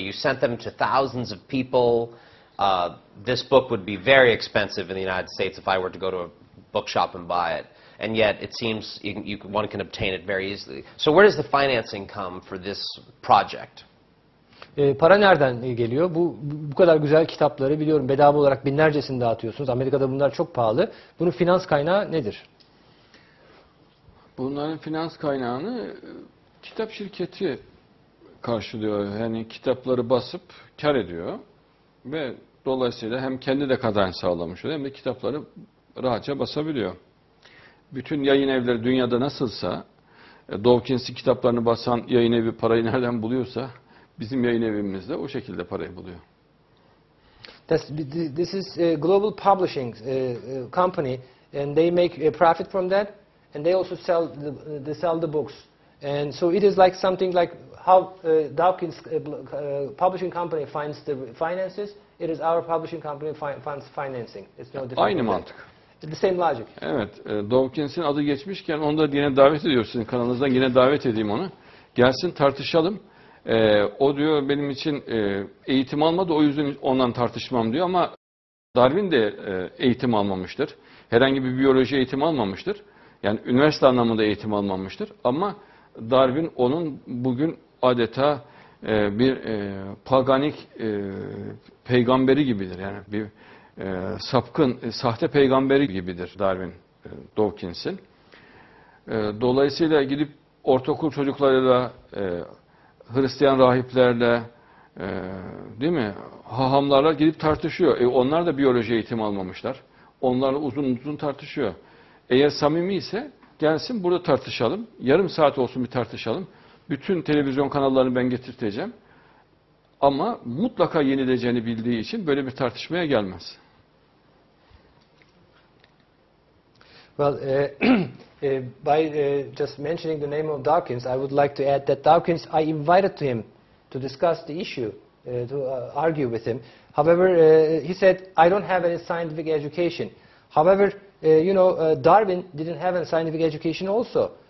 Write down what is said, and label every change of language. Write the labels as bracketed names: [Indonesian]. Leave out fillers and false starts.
[English] You sent them to thousands of people. This book would be very expensive in the United States if I were to go to a bookshop and buy it. and yet it seems one can obtain it very easily. So where does the financing come for this project? [Turkish] Para nereden geliyor? Bu kadar güzel kitapları biliyorum bedava olarak binlercesini dağıtıyorsunuz. Amerika'da bunlar çok pahalı. Bunun finans kaynağı nedir? Bunların finans kaynağını kitap şirketi karşılıyor. Yani kitapları basıp kar ediyor. Ve dolayısıyla hem kendi de kazanç sağlamış oluyor hem de kitapları rahatça basabiliyor. Bütün yayın evleri dünyada nasılsa, Dawkins'in kitaplarını basan yayın evi parayı nereden buluyorsa, bizim yayın evimiz de o şekilde parayı buluyor. [English] This is a global publishing company and they make a profit from that and they also sell they sell the books. And so it is like something like how Dawkins publishing company finds the finances, it is our publishing company funds financing. It's no different. [Turkish] Aynı mantık. [English] The same logic. [Turkish] Evet, Dawkins'in adı geçmişken onu da yine davet ediyoruz sizin kanalınızdan yine davet edeyim onu. Gelsin tartışalım. O diyor benim için eğitim almadı o yüzden ondan tartışmam diyor ama Darwin de eğitim almamıştır. Herhangi bir biyoloji eğitimi almamıştır. Yani üniversite anlamında eğitim almamıştır ama Darwin onun bugün adeta bir paganik peygamberi gibidir. Yani bir sapkın, sahte peygamberi gibidir Darwin, Dawkins'in. Dolayısıyla gidip ortaokul çocuklarıyla, Hristiyan rahiplerle, değil mi, hahamlarla gidip tartışıyor. Onlar da biyoloji eğitimi almamışlar. Onlarla uzun uzun tartışıyor. Eğer samimi ise gelsin burada tartışalım. Yarım saat olsun bir tartışalım. Bütün televizyon kanallarını ben getirteceğim. Ama mutlaka yenileceğini bildiği için böyle bir tartışmaya gelmez. [English] Well, by just mentioning the name of Dawkins, I would like to add that Dawkins, I invited to him to discuss the issue, to argue with him. However, he said, I don't have any scientific education. However, you know, Darwin didn't have a scientific education also.